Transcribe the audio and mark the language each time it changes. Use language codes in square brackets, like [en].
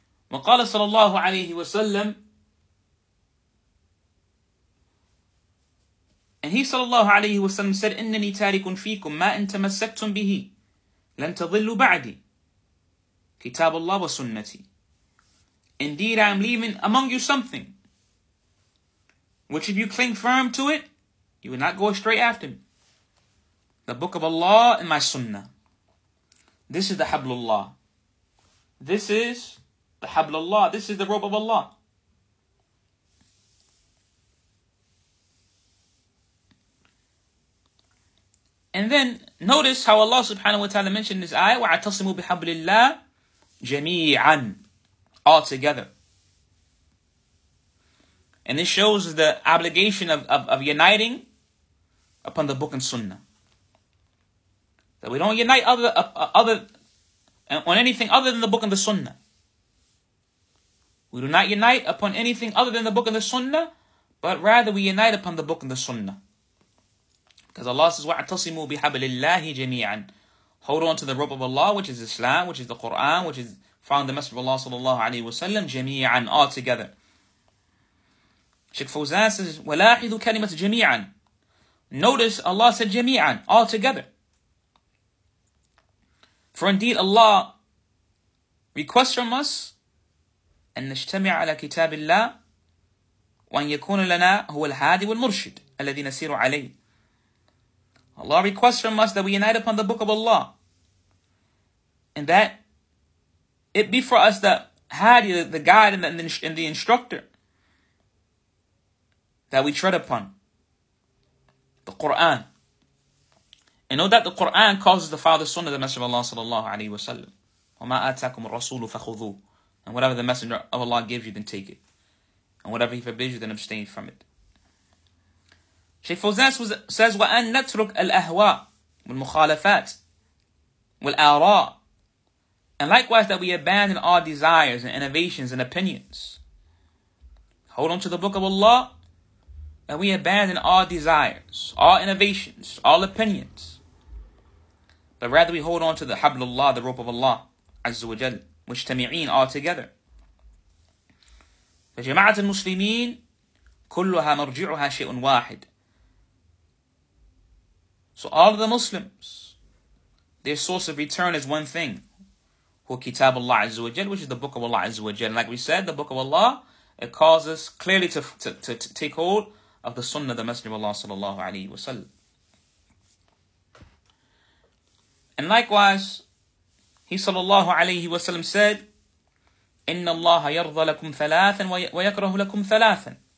[ar] وقال صلى الله عليه وسلم, [en] and he [ar] صلى الله عليه وسلم said, إنني تارك فيكم ما إن تمسكتم به لن تضلوا بعدي كتاب الله وسنتي. [en] Indeed, I am leaving among you something which if you cling firm to it, you will not go astray after me. The book of Allah and my sunnah. This is the Hablullah. This is the Hablullah. This is the rope of Allah. And then notice how Allah subhanahu wa ta'ala mentioned this ayah, [ar] وَعَتَصِمُوا بِحَبْلِ اللَّهِ جَمِيعًا, [en] all together. And this shows the obligation of uniting upon the book and sunnah. That we don't unite other on anything other than the book and the sunnah. We do not unite upon anything other than the book and the sunnah, but rather we unite upon the book and the sunnah. Because Allah says, [ar] وَاَعْتَصِمُوا بِحَبْلِ اللَّهِ جَمِيعًا. [en] Hold on to the rope of Allah, which is Islam, which is the Quran, which is found in the Messenger of Allah sallallahu alayhi wa sallam, جَمِيعًا, all together. Sheikh Fawzan says, [ar] وَلَاحِذُوا كَلِمَةَ جَمِيعًا. [en] Notice Allah said جَمِيعًا, all together. For indeed Allah requests from us, [ar] أن نجتمع على كتاب الله وأن يكون لنا هو الهادي والمرشد الذي نسير عليه. [en] Allah requests from us that we unite upon the book of Allah, and that it be for us the hadi, the guide and the instructor that we tread upon, the Quran. And know that the Quran causes the father sunnah, the Messenger of Allah sallallahu alaihi wasallam. [ar] وما آتاكم الرسول فخذوه. [en] And whatever the Messenger of Allah gives you, then take it. And whatever he forbids you, then abstain from it. Shaykh Fawzan says, [ar] وَأَن نَتْرُكْ الْأَهْوَىٰ وَالْمُخَالَفَاتِ وَالْآرَاءِ. [en] And likewise that we abandon all desires and innovations and opinions. Hold on to the book of Allah, and we abandon all desires, all innovations, all opinions. But rather we hold on to the Hablullah, the rope of Allah, Azza wa Jalla. [ar] مجتمعين [en] all together. [ar] فجماعة المسلمين كلها مرجعها شيء واحد. [en] So all of the Muslims, their source of return is one thing. [ar] هو كتاب الله عز وجل, [en] which is the book of Allah [ar] عز وجل. [en] Like we said, the book of Allah, it calls us clearly to take hold of the sunnah of the Messenger of Allah صلى الله عليه وسلم. And likewise, he sallallahu alayhi wa sallam said, [ar] إِنَّ اللَّهَ يَرْضَ لَكُمْ ثَلَاثًا وَيَكْرَهُ لَكُمْ ثَلَاثًا.